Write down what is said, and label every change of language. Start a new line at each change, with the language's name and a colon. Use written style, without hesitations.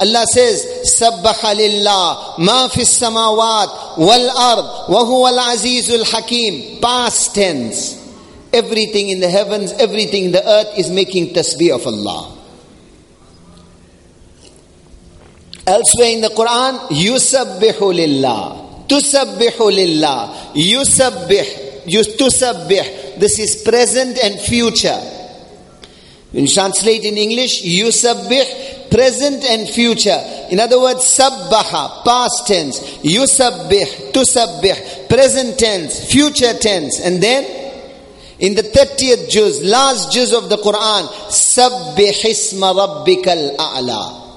English: Allah says,
Arabic: سَبَّحَ لِلَّهِ مَا فِي السَّمَاوَاتِ وَالْأَرْضِ وَهُوَ الْعَزِيزُ الْحَكِيمِ.
English: Past tense. Everything in the heavens, everything in the earth is making tasbih of Allah. Elsewhere in the Quran,
Arabic: يُسَبِّحُ لِلَّهِ تُسَبِّحُ لِلَّهِ يُسَبِّحُ تُسَبِّحُ.
English: This is present and future. When you translate in English, yusabbih, present and future. In other words, sabbaha, past tense. Yusabbih, tusabbih, present tense, future tense. And then, in the 30th juz, last juz of the Quran, sabbihisma rabbikal a'la.